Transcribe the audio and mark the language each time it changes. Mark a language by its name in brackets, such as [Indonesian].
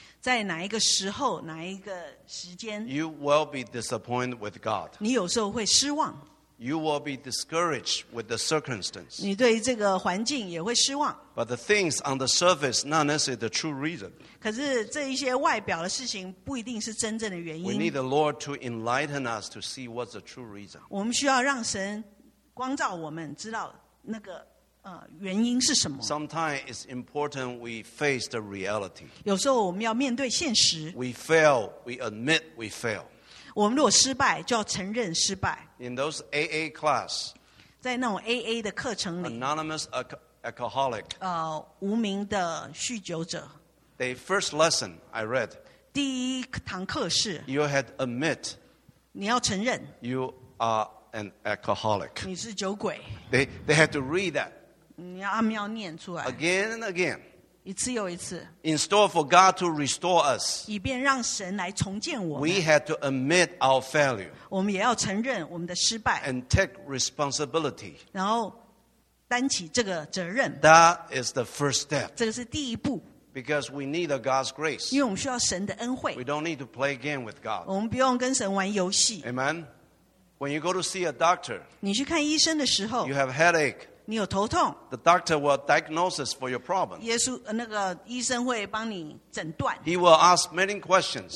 [Chinese] 在哪一个时候，哪一个时间， [English] you will be disappointed with God. [Chinese] 你有时候会失望。 [English] You will be discouraged with the circumstance. [Chinese] 你对这个环境也会失望。 [English] But the things on the surface, not necessarily the true reason. [Chinese] 可是这一些外表的事情不一定是真正的原因。 [English] We need the Lord to enlighten us to see what's the true reason. [Chinese] 我们需要让神光照我们，知道那个。 [English] Sometimes it's important we face the reality. [Chinese] 有时候我们要面对现实。 [English] We fail, we admit we fail. [Chinese] 我们如果失败，就要承认失败。 [English] In those AA class, [Chinese] 在那种AA的课程里, [English] anonymous alcoholic, [Chinese] 无名的酗酒者, [English] the first lesson I read, [Chinese] 第一堂课是, [English] you had admit, [Chinese] 你要承认, [English] you are an alcoholic. [Chinese] 你是酒鬼。 [English] They had to read that. [Chinese] 你要念出来, [English] again and again. [Chinese] 一次又一次, [English] in store for God to restore us. [Chinese] 以便让神来重建我们, [English] we had to admit our failure. [Chinese] 我们也要承认我们的失败, [English] and take responsibility. [Chinese] 然后担起这个责任, [English] that is the first step. [Chinese] 这个是第一步, [English] because we need God's grace. [Chinese] 因为我们需要神的恩惠, [English] we don't need to play a game with God. [Chinese] 我们不用跟神玩游戏。 [English] Amen. When you go to see a doctor, [Chinese] 你去看医生的时候, [English] you have headache. [Chinese] 你有头痛, [English] the doctor will diagnose for your problem. [Chinese] 耶稣, 那个医生会帮你诊断, [English] he will ask many questions.